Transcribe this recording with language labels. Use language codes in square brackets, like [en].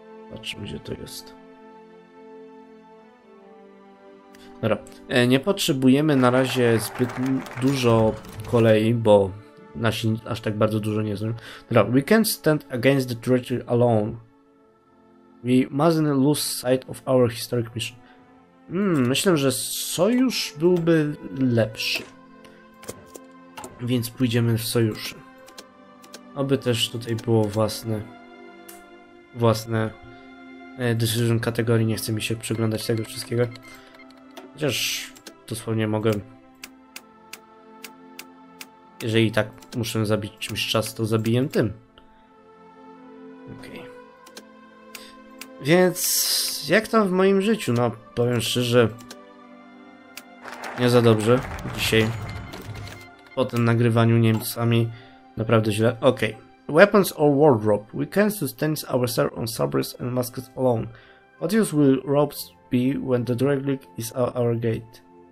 [pl] Zobaczmy, gdzie to jest. Dobra. Nie potrzebujemy na razie zbyt dużo kolei, bo nasi aż tak bardzo dużo nie znają. Dobra. [en] We can't stand against the treachery alone. We mustn't lose sight of our historic mission. [pl] Myślę, że sojusz byłby lepszy. Więc pójdziemy w sojuszy. Aby też tutaj było własne decision kategorii. Nie chce mi się przyglądać tego wszystkiego. Chociaż dosłownie mogę. Jeżeli tak muszę zabić czymś czas, to zabiję tym. Okej. Więc jak to w moim życiu? No powiem szczerze, nie za dobrze dzisiaj. Po tym nagrywaniu Niemcami naprawdę źle. [en] Okej. Weapons or wardrobe. We can sustain ourselves on sabres and muskets alone. What use will robes be when the Draeglik is at our gate?